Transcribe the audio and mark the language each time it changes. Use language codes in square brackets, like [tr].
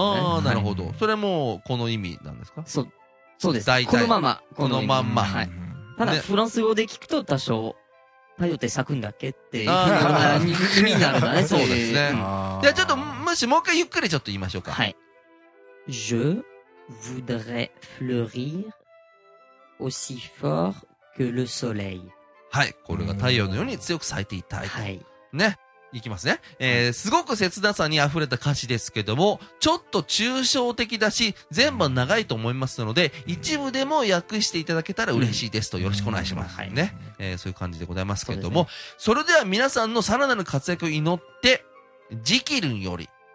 [ja] ああ、なるほど、はい。それもこの意味なんですか？そうです。このまま。このまま。はい。ただ、フランス語で聞くと多少、太陽って咲くんだっけっていう意味になるんだね。そうですね。じゃあちょっと、もしもう一回ゆっくりちょっと言いましょうか。はい。 [fr] Voudrait fleurir aussi fort que le soleil. [ja] はい、これが太陽のように強く咲いていたい。はい。ね、いきますね。すごく切なさに溢れた歌詞ですけども、ちょっと抽象的だし、全部は長いと思いますので、一部でも訳していただけたら嬉しいですと、よろしくお願いします。はい。ね、そういう感じでございますけども、それでは皆さんのさらなる活躍を祈って、ジキルンより、